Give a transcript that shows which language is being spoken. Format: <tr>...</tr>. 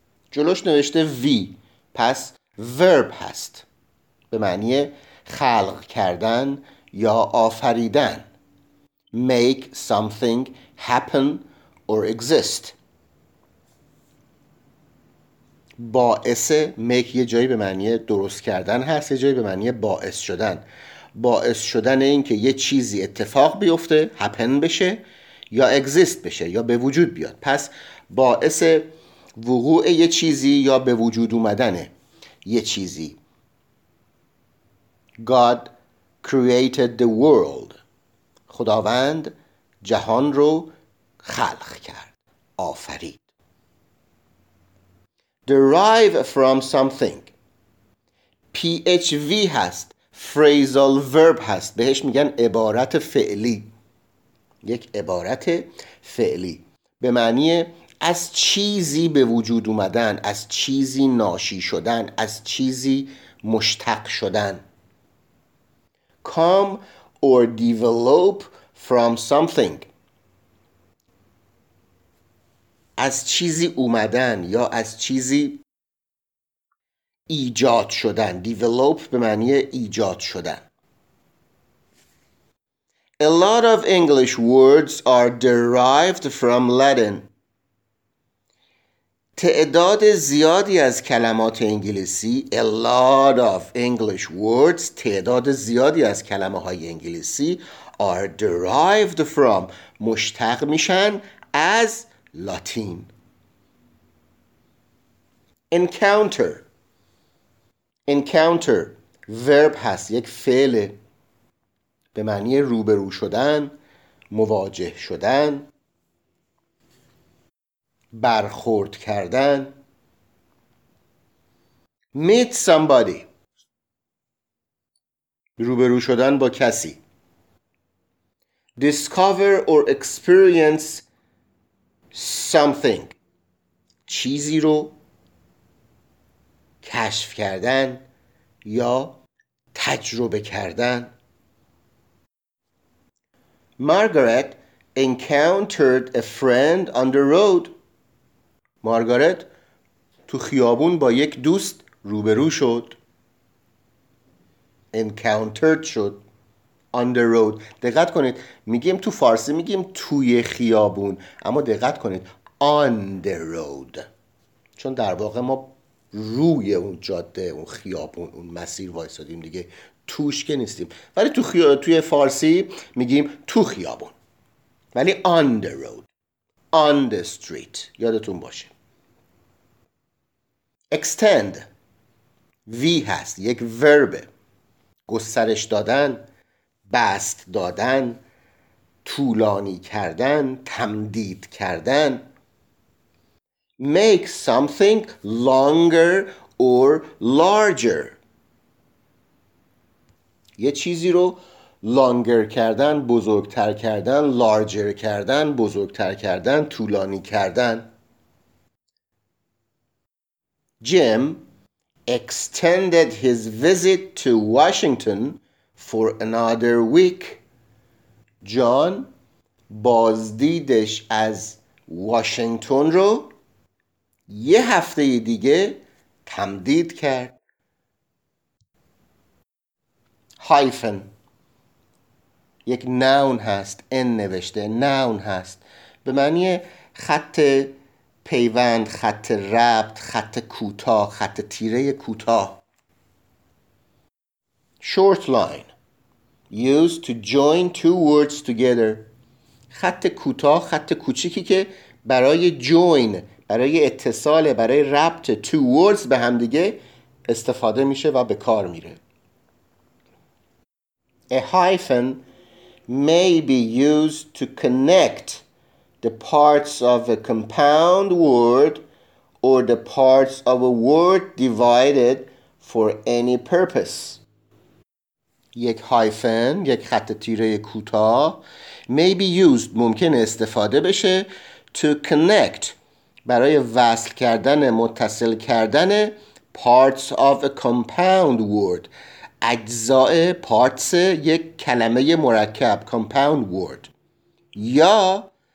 <fa>جلوش نوشته وی، پس ورب هست به معنی خلق کردن یا آفریدن.</fa> <en>make something happen or exist.</en> <fa>باعث make یه جایی به معنی درست کردن هست، یه جایی به معنی باعث شدن. باعث شدن این که یه چیزی اتفاق بیفته، happen بشه یا exist بشه یا به وجود بیاد. پس باعث وقوع یه چیزی یا به وجود اومدنه یه چیزی.</fa> <en>God created the world.</en> <fa>خداوند جهان رو خلق کرد، آفرید.</fa> <en>Derive from something.</en> <fa>PHV هست، phrasal verb هست، بهش میگن عبارت فعلی. یک عبارت فعلی به معنی از چیزی به وجود اومدن، از چیزی ناشی شدن، از چیزی مشتق شدن.</fa> <en>Come or develop from something.</en> <fa>از چیزی اومدن یا از چیزی ایجاد شدن. Develop به معنی ایجاد شدن.</fa> <en>A lot of English words are derived from Latin.</en> <fa>تعداد زیادی از کلمات انگلیسی،</fa> <en>a lot of English words،</en> <fa>تعداد زیادی از کلمه های انگلیسی،</fa> <en>are derived from،</en> <fa>مشتق میشن از لاتین. Encounter. Encounter verb هست، یک فعل به معنی روبرو شدن، مواجه شدن، برخورد کردن.</fa> <en>Meet somebody،</en> <fa>روبرو شدن با کسی.</fa> <en>Discover or experience something،</en> <fa>چیزی رو کشف کردن یا تجربه کردن.</fa> <en>Margaret encountered a friend on the road.</en> <fa>مارگارت تو خیابون با یک دوست روبرو شد. Encountered شد.</fa> <en>On the road.</en> <fa>دقت کنید. میگیم تو فارسی میگیم توی خیابون. اما دقت کنید.</fa> <en>On the road.</en> <fa>چون در واقع ما روی اون جاده، اون خیابون، اون مسیر وایسادیم دیگه. توش که نیستیم. ولی توی فارسی میگیم تو خیابون. ولی</fa> <en>on the road. On the street. یادتون باشه. Extend.</en> <fa>وی هست، یک ورب، گسترش دادن، بست دادن، طولانی کردن، تمدید کردن.</fa> <en>Make something longer or larger.</en> <fa>یه چیزی رو longer کردن، بزرگتر کردن، larger کردن، بزرگتر کردن، طولانی کردن.</fa> <en>Jim extended his visit to Washington for another week.</en> <fa>John بازدیدش از واشنگتن رو یه هفته دیگه تمدید کرد. Hyphen یک noun هست، N نوشته، noun هست به معنی خط پیوند، خط ربط، خط کوتاه، خط تیره کوتاه.</fa> <en>Short line used to join two words together.</en> <fa>خط کوتاه، خط کوچیکی که برای join، برای اتصال، برای ربط two words به هم دیگه استفاده میشه و به کار میره.</fa> <en>A hyphen may be used to connect the parts of a compound word or the parts of a word divided for any purpose.</en> <fa>یک هایفن، یک خط تیره کوتاه،</fa> <en>may be used،</en> <fa>ممکن استفاده بشه،</fa> <en>to connect،</en> <fa>برای وصل کردن، متصل کردن</fa> <en>parts of a compound word،</en> <fa>اجزای، parts یک کلمه مرکب، compound word، یا</fa>